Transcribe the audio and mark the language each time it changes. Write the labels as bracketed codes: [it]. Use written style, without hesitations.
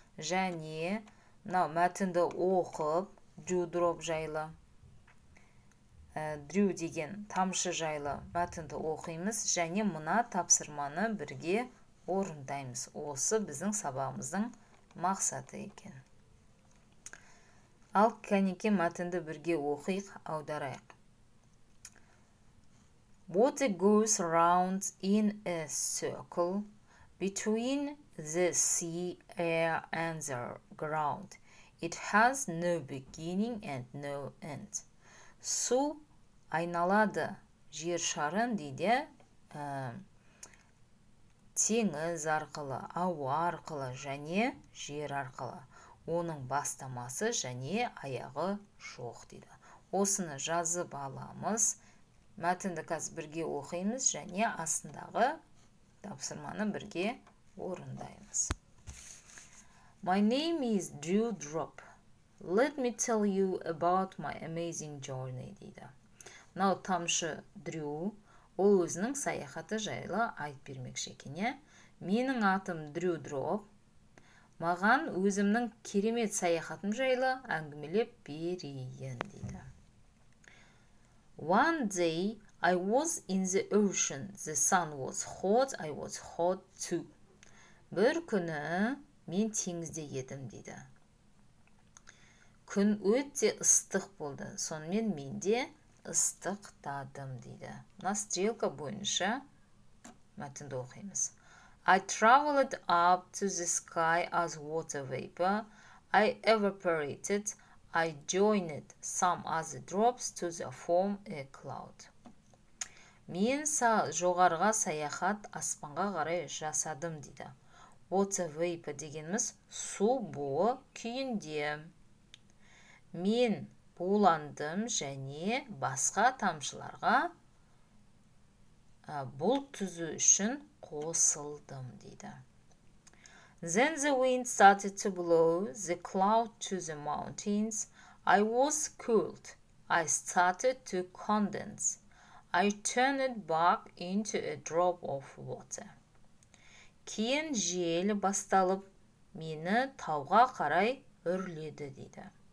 [kk] Және нау мәтінді оқып dewdrop жайлы, dew деген тамшы жайлы мәтінді оқимыз. Және мына тапсырманы бірге орындаймыз. Осы біздің сабағымыздың мақсаты екен. Ал кәнеке мәтінді бірге оқиық, аударайық. [en] Water goes round in a circle between the sea, air and the ground. It has no beginning and no end. [kk] Су айналады жер шарын дейді, теңіз арқылы, ауа арқылы және жер арқылы. Оның бастамасы және аяғы жоқ дейді. Осыны жазып аламыз. Мәтінді қазір бірге оқимыз және астындағы тапсырманы бірге орындаймыз. [en] My name is Dewdrop. Let me tell you about my amazing journey дейді. [kk] Нау тамшы Дрю, ол өзінің саяхаты жайлы айт бермекші екене. Менің атым Dewdrop. Маған өзімнің керемет саяхатым жайлы әңгімелеп берейін дейді. [en] One day I was in the ocean. The sun was hot. I was hot too. [kk] Бір күні мен теңізде едім дейді. Күн өте ыстық болды. Сонымен менде ыстықтадым дейді. Мына стрелка бойынша мәтінді оқимыз. [en] I traveled up to the sky as water vapor. I evaporated. I joined some other drops to the form a cloud. [kk] Мен жоғарға саяхат аспанға қарай жасадым дейді. Water vapor дегеніміз су буы күйінде. Мен буландым және басқа тамшыларға бұл түзу үшін қосылдым дейді. [en] Then the wind started to blow the cloud to the mountains. I was cooled. I started to condense. I turned back into a drop of water. [kk] Кейін жел басталып, мені тауға қарай үрледі дейді.